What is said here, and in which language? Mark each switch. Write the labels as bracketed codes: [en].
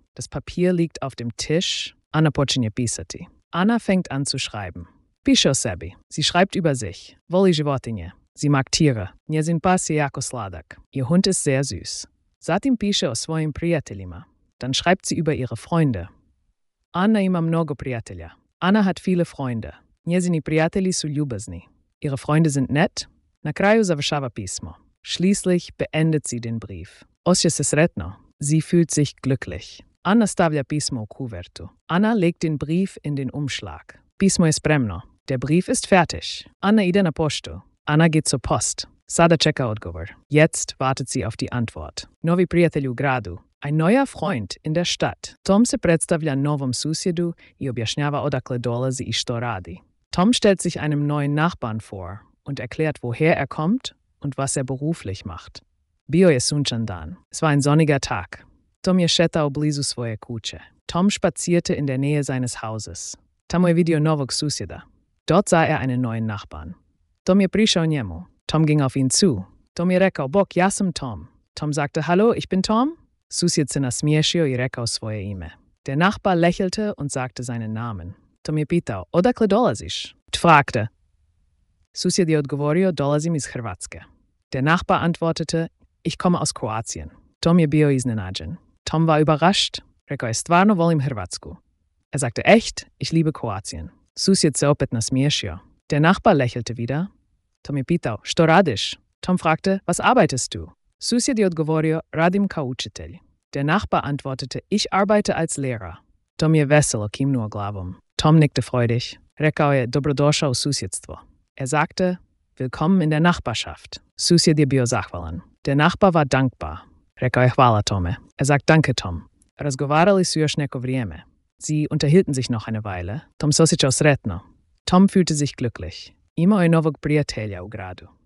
[de] Das Papier liegt auf dem Tisch. [hr] Anna počinje pisati. [de] Anna fängt an zu schreiben. [hr] Piše o sebi. [de] Sie schreibt über sich. [hr] Voli životinje. [de] Sie mag Tiere. [hr] Njezin pas je jako sladak. [de] Ihr Hund ist sehr süß. [hr] Zatim piše o svojim prijateljima. [de] Dann schreibt sie über ihre Freunde. [hr] Anna ima mnogo prijatelja. [de] Anna hat viele Freunde. [hr] Njezini prijatelji su ljubazni. [de] Ihre Freunde sind nett. [hr] Na kraju završava pismo. [de] Schließlich beendet sie den Brief. [hr] Osje se sretno. [de] Sie fühlt sich glücklich. [hr] Anna stavlja pismo u kuvertu. [de] Anna legt den Brief in den Umschlag. [hr] Pismo je spremno. [de] Der Brief ist fertig. [hr] Anna ide na poštu. [de] Anna geht zur Post. [hr] Sada čeka odgovor. [de] Jetzt wartet sie auf die Antwort. [hr] Novi prijatelj u gradu. [de] Ein neuer Freund in der Stadt. [hr] Tom se predstavlja novom susjedu i objašnjava odakle dolazi i što radi. [de] Tom stellt sich einem neuen Nachbarn vor und erklärt, woher er kommt und was er beruflich macht. [hr] Bio je sunčan dan. [de] Es war ein sonniger Tag. [hr] Tom je šetao blizu svoje kuće. [de] Tom spazierte in der Nähe seines Hauses. [hr] Tamo je vidio novog susjeda. [de] Dort sah er einen neuen Nachbarn. [hr] Tom je prišao njemu. [de] Tom ging auf ihn zu. [hr] Tom je rekao, bok, ja sam Tom. [de] Tom sagte, hallo, ich bin Tom. [hr] Susjed se nasmiješio i rekao svoje ime. [de] Der Nachbar lächelte und sagte seinen Namen. [hr] Tom je pitao, odakle dolaziš? [de] Fragte. [hr] Susjed je odgovorio, dolazim iz Hrvatske. [de] Der Nachbar antwortete, ich komme aus Kroatien. [hr] Tom je bio iznenađen. [de] Tom war überrascht, [hr] rekao je, stvarno volim Hrvatsku. [de] Er sagte, echt, ich liebe Kroatien. [hr] Susjed se opet nasmiješio. [de] Der Nachbar lächelte wieder. [hr] Tom je pitao, što radiš? [de] Tom fragte, was arbeitest du? [hr] Susjed je odgovorio, radim kao učitelj. [de] Der Nachbar antwortete, ich arbeite als Lehrer. [hr] Tom je veselo kimnuo glavom. [de] Tom nickte freudig. [hr] Rekao je, dobrodošao u susjedstvo. [de] Er sagte, willkommen in der Nachbarschaft. [hr] Susjed je bio zahvalan. [de] Der Nachbar war dankbar. [hr] Rekao je, hvala Tome. [de] Er sagt, danke Tom. [hr] Razgovarali su još neko vrijeme. [de] Sie unterhielten sich noch eine Weile. [hr] Tom se osjećao sretno. [de] Tom fühlte sich glücklich. [hr] Imao je novog prijatelja u gradu.